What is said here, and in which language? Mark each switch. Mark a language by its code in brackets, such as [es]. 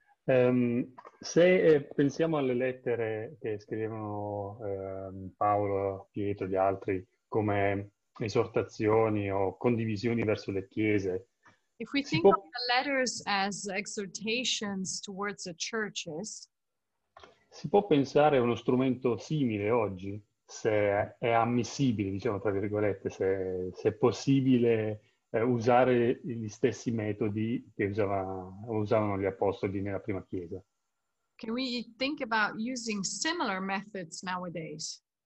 [it] Se pensiamo alle lettere che scrivevano Paolo, Pietro e gli altri come esortazioni o condivisioni verso le chiese. [en] If we think of the letters as exhortations towards the churches, [it] si può pensare a uno strumento simile oggi, se è ammissibile, diciamo tra virgolette, se è possibile usare gli stessi metodi che usavano gli apostoli nella prima chiesa. [en] Can we think about using similar methods nowadays?